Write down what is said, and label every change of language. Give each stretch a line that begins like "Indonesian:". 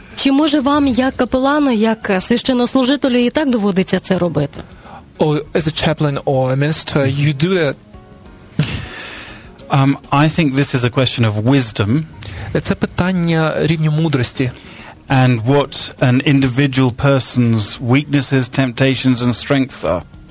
Ukrainian: Чи може вам як капелану, як священнослужителю і так доводиться це робити?
English: As a chaplain or a minister, you do that? I think this is a question of wisdom.
Ukrainian: Це питання рівня мудрості.
English: And what an individual person's weaknesses, temptations and strengths are.